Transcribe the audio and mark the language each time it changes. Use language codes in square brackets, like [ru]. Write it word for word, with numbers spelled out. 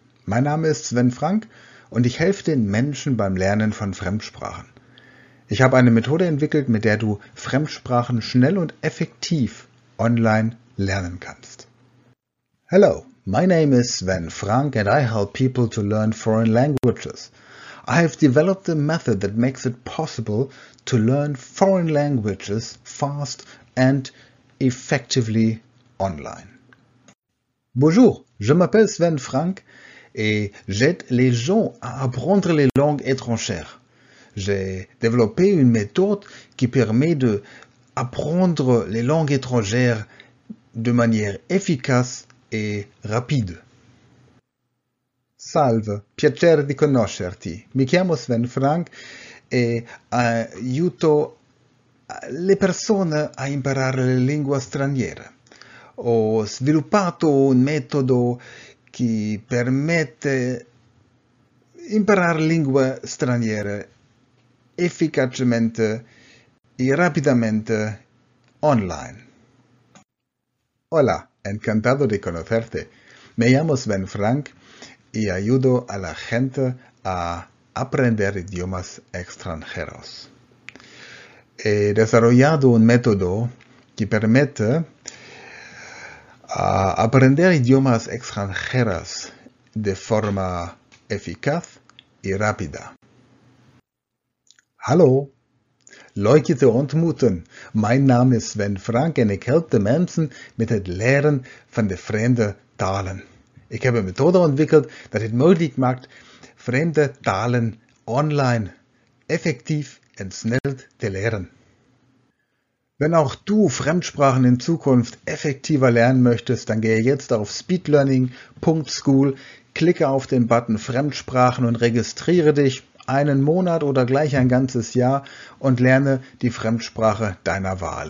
[de] Mein Name ist Sven Frank und ich helfe den Menschen beim Lernen von Fremdsprachen. Ich habe eine Methode entwickelt, mit der du Fremdsprachen schnell und effektiv online lernen kannst. [en] Hello, my name is Sven Frank and I help people to learn foreign languages. I have developed a method that makes it possible to learn foreign languages fast and effectively online. [fr] Bonjour, je m'appelle Sven Frank et j'aide les gens à apprendre les langues étrangères. J'ai développé une méthode qui permet de apprendre les langues étrangères de manière efficace et rapide. [it] Salve, piacere di conoscerti. Mi chiamo Sven Frank e aiuto le persone a imparare le lingue straniere. Ho sviluppato un metodo che permette imparare lingue straniere efficacemente e rapidamente online. [es] Hola, encantado de conocerte. Me llamo Sven Frank y ayudo a la gente a aprender idiomas extranjeros. He desarrollado un método que permite a aprender idiomas extranjeros de forma eficaz y rápida. [nl] Hallo, leuk je te ontmoeten. Mijn naam is Sven Frank en ik help de mensen met het leren van de vreemde talen. Ik heb een methode ontwikkeld dat het mogelijk maakt vreemde talen online effektiv en snel te leren. [de] Wenn auch du Fremdsprachen in Zukunft effektiver lernen möchtest, dann gehe jetzt auf speedlearning dot school, klicke auf den Button Fremdsprachen und registriere dich einen Monat oder gleich ein ganzes Jahr und lerne die Fremdsprache deiner Wahl.